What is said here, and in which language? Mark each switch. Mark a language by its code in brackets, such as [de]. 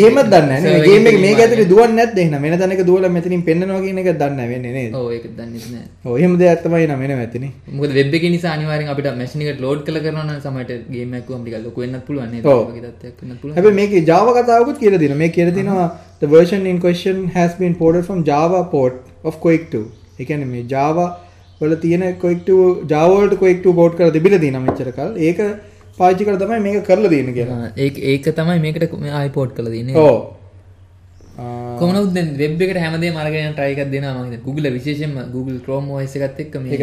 [si] එහෙමත් දන්නේ නැහැ. මේ ගේම් එක මේක ඇතුලේ දුවන්නේ නැද්ද එහෙනම්? වෙන දණක දුවලා මෙතනින් පෙන්නනවා කියන එක දන්නේ නැහැ වෙන්නේ නේද? ඔව් ඒක දන්නේ නැහැ. ඔව් එහෙම දෙයක් තමයි නම වෙනව ඇතිනේ. මොකද වෙබ් එකේ නිසා අනිවාර්යෙන් අපිට මැෂින් එකට ලෝඩ් කළ කරනවා නම් සමහර විට ගේම් එකක් වම් ටිකක් ලොකු වෙන්නත් පුළුවන් නේද? ඔයගෙ තත්ත්වයක් වෙන්නත් පුළුවන්. හැබැයි මේකේ Java කතාවකුත් කියලා දෙනවා. මේ කියලා දෙනවා [en] the version in question has been ported from Java port of Quake 2. [si] ඒ කියන්නේ මේ Java වල තියෙන Quake 2 Java වලට Quake 2 port කරලා තිබිලා දිනා මෙච්චර කල්. ඒක පාවිච්චි කරලා තමයි මේක කරලා දෙන්නේ කියලා. ඒක ඒක තමයි මේකට ආයි පෝට් කරලා දෙන්නේ. ඔව්. කොහොමද උදෙන් වෙබ් එකට හැමදේම අරගෙන යන try එකක් දෙනවා මම හිතන්නේ. Google විශේෂයෙන්ම Google Chrome OS එකත් එක්ක මේ